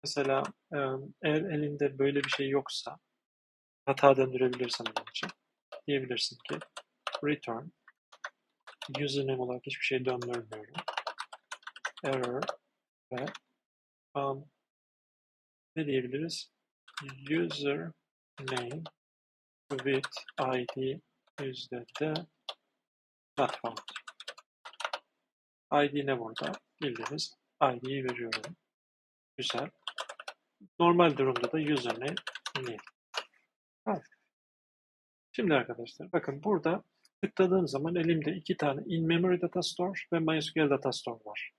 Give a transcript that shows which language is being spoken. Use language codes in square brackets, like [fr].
[tr] Mesela eğer elinde böyle bir şey yoksa hata döndürebilirsin bunun için. Diyebilirsin ki return username olarak hiçbir şey döndürmüyorum. Error ve ne diyebiliriz? [en] User name with ID %de not found. [tr] ID ne burada? Bildiğimiz ID'yi veriyorum. Güzel. Normal durumda da username nil. Evet. Şimdi arkadaşlar bakın burada tıkladığım zaman elimde iki tane in memory data store ve MySQL data store var.